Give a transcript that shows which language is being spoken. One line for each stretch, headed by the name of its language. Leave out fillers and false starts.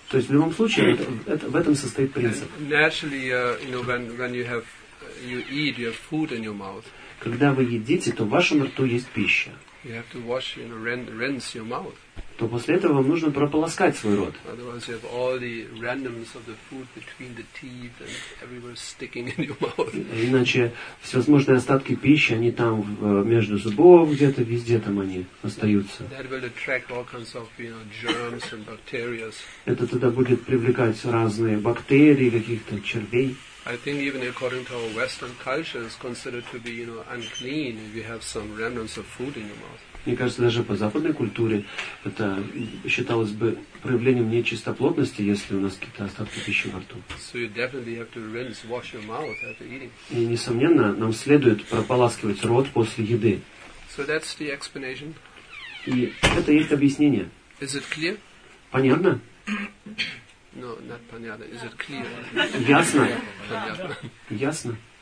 Russian: То есть в любом случае в этом состоит принцип.
English: And naturally, you know, when you have you eat, you have food in your mouth.
Russian: Когда вы едите, то в вашем рту есть пища.
English: You have to wash, you know, rinse your mouth.
Russian: То после этого вам нужно прополоскать свой рот.
English: Otherwise, you have all the randoms of the food between the teeth and everywhere sticking in your mouth.
Russian: Иначе всевозможные остатки пищи, они там между зубов где-то, везде там они остаются.
English: That will attract all kinds of, you know, germs and bacteria.
Russian: Это тогда будет привлекать разные бактерии, каких-то червей.
English: I think even according to our Western culture, it's considered to be, you know, unclean if you have some remnants of food in your mouth.
Russian: Мне кажется, даже по западной культуре это считалось бы проявлением нечистоплотности, если у нас какие-то остатки пищи во рту.
English: So you definitely have to rinse, wash your mouth after eating.
Russian: И несомненно, нам следует прополаскивать рот после еды.
English: So that's the explanation.
Russian: И это есть объяснение.
English: Is it clear?
Russian: Понятно?
English: No, not
Russian: понятно.
English: Is it clear?
Russian: Ясно. Понятно. Ясно.